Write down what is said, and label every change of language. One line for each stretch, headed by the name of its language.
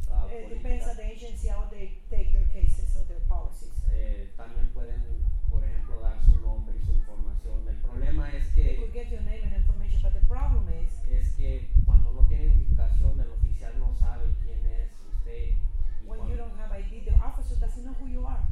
English: It depends on the agency how they take their cases or their policies.
Spanish: También pueden, por ejemplo, dar su nombre y su información. El problema es que
English: they could get your name and information, but the problem is
Spanish: que cuando no tiene identificación, el oficial no sabe quién es usted.
English: When you don't have ID, the officer doesn't know who you are.